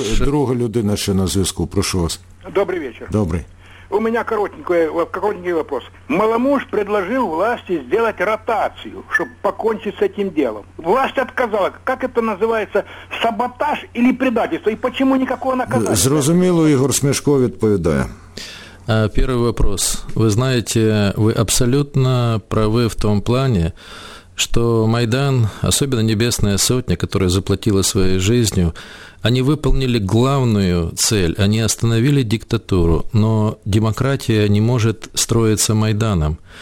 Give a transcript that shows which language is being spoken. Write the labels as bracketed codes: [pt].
[uk] друга людина [ru] еще на звездку, [uk] прошу вас. [ru] Добрый вечер. Добрый. У меня коротенький вопрос. Маломуж предложил власти сделать ротацию, чтобы покончить с этим делом. Власть отказала. Как это называется? Саботаж или предательство? И почему никакого наказания? [uk] Зрозуміло, Ігор Смешко відповідає. [ru] Первый вопрос. Вы знаете, вы абсолютно правы в том плане, что Майдан, особенно Небесная Сотня, которая заплатила своей жизнью, они выполнили главную цель, они остановили диктатуру, но демократия не может строиться Майданом.